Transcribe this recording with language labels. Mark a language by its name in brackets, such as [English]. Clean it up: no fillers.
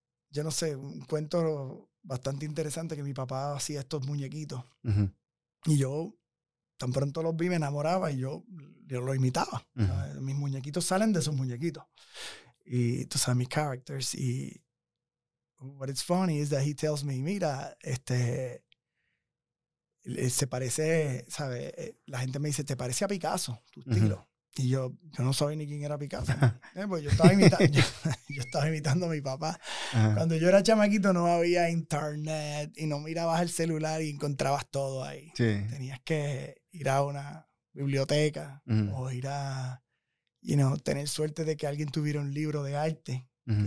[Spanish] Yo no sé, un cuento bastante interesante que mi papá hacía estos muñequitos. Uh-huh. Y yo, tan pronto los vi, me enamoraba y yo lo imitaba. Uh-huh. Mis muñequitos salen de esos muñequitos. Y tú sabes, mis characters. [English] Y what is funny is that he tells me, [Spanish] mira, se parece, ¿sabes? La gente me dice, te parece a Picasso, tu estilo. Uh-huh. Y yo no sabía ni quién era Picasso. Pues yo estaba imitando a mi papá. Uh-huh. Cuando yo era chamaquito no había internet y no mirabas el celular y encontrabas todo ahí. Sí. Tenías que ir a una biblioteca, uh-huh, o ir a, [English] you know, [Spanish] tener suerte de que alguien tuviera un libro de arte. Uh-huh.